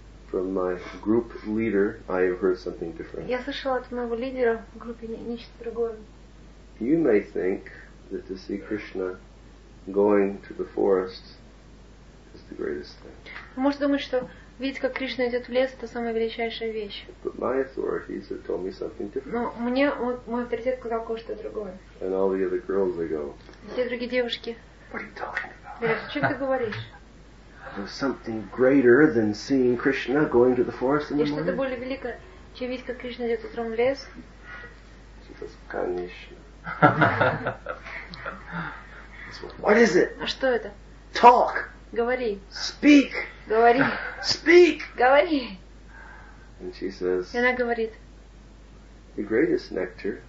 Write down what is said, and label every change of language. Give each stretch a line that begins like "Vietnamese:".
English: From my group leader, I have heard something different.
Russian: Я слышала от моего лидера в группе нечто другое.
English: You may think that to see Krishna going to the forest is the greatest thing.
Russian: Можешь думать, что видеть, как Кришна идет в лес, это самая величайшая вещь.
English: But my authorities have told me something different.
Russian: Но мне вот мой авторитет сказал кое-что другое.
English: And all the other girls, they go.
Russian: Все другие девушки.
English: What are you talking about?
Russian: Чем ты говоришь?
English: There's something greater than seeing Krishna going to the forest in the morning.
Russian: И что-то более великое, чем видеть, как Кришна идет утром в лес?
English: She says,
Russian: конечно.
English: What is it?
Russian: А что это?
English: Talk.
Russian: Говори.
English: Speak.
Russian: Говори.
English: Speak.
Russian: Говори.
English: And she says.
Russian: И она говорит.
English: The greatest nectar.